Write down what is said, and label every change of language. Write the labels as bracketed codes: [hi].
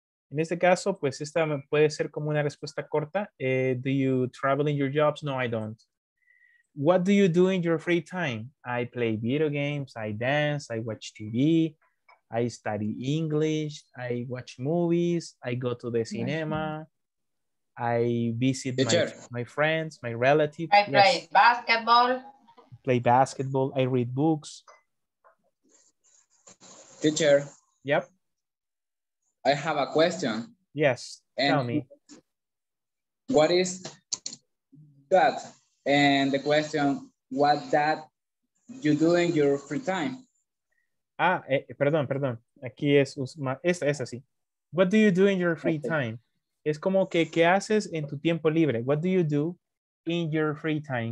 [es] En este caso, pues esta puede ser como una respuesta corta. [en] Do you travel in your jobs? No, I don't. What do you do in your free time? I play video games, I dance, I watch TV, I study English, I watch movies, I go to the cinema, I visit my friends, my relatives. I play basketball. Play basketball, I read books. Teacher. Yep. I have a question. Yes, and tell me. What is that? And the question, what that you do in your free time? [es] Ah, perdón. Aquí es, es así. [en] What do you do in your free time? [es] Es como que, ¿qué haces en tu tiempo libre? [en] What do you do in your free time?